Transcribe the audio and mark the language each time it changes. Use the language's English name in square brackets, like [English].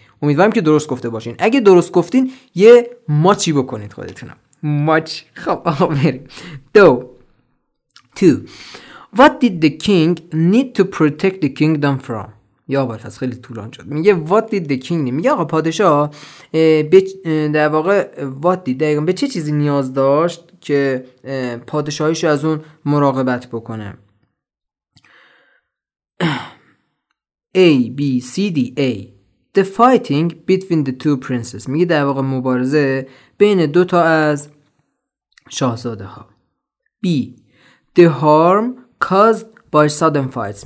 [Persian] امیدوارم که درست گفته باشین. اگه درست گفتین یه ماچی بکنید خودتونم. ماچ. خب آقا بریم. 2. [English] What did the king need to protect the kingdom from؟ [Persian] یا باید از خیلی طولان شد. میگه [English] What did the king need؟ [Persian] میگه آقا پادشاه در واقع What did، به چه چیزی نیاز داشت که پادشاهیش از اون مراقبت بکنه؟ A B C D. [English] A. The fighting between the two princes. [Persian] میگه در واقع مبارزه بین دو تا از شاهزاده ها. [English] B. The harm caused by sudden fights.